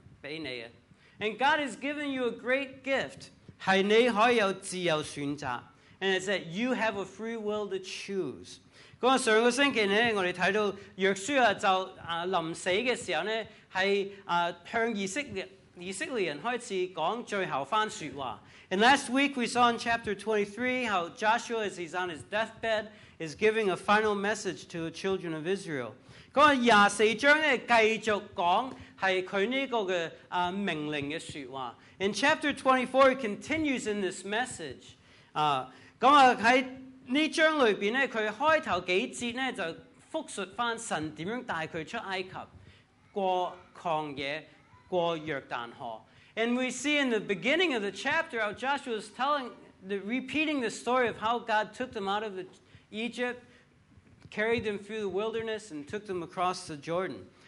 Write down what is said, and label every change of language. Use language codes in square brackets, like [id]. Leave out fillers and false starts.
[en] And God has given you a great gift. [zh] 是你可以有自由选择。 [en] And it said, you have a free will to choose. [zh] 那上個星期呢,我們提到約書亞就臨死的時候呢,是向以色列人開始講最後番說話。 [en] And last week we saw in chapter 23 how Joshua, as he's on his deathbed, is giving a final message to the children of Israel. [zh] 那24章呢,繼續講是他那個命令的說話。 [en] In chapter 24, he continues in this message. [zh] 那在這章裡面,他開頭幾節就複述神怎樣帶他出埃及,過曠野,過約旦河。 [en] And we see in the beginning of the chapter how Joshua is telling, repeating the story of how God took them out of Egypt, carried them through the wilderness, and took them across the Jordan.